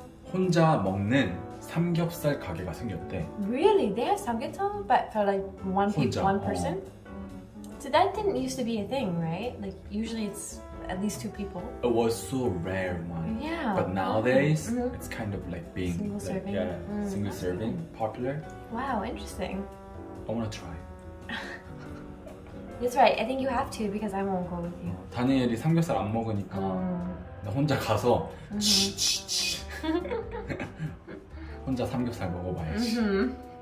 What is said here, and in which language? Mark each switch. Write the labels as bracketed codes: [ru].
[ko] 혼자 먹는 삼겹살 가게가 생겼대. [en] Really? They have 삼겹살, but for like one person. So that didn't used to be a thing, right? Like usually it's at least two people. It was so rare, man. Yeah. But nowadays, mm-hmm. it's kind of like being single like, serving. Yeah, single okay. serving popular. Wow, interesting. I want to try. That's right. I think you have to because I won't go with you. [ko] 다니엘이 삼겹살 안 먹으니까 나 혼자 가서 치치치 혼자 삼겹살 먹어봐야지.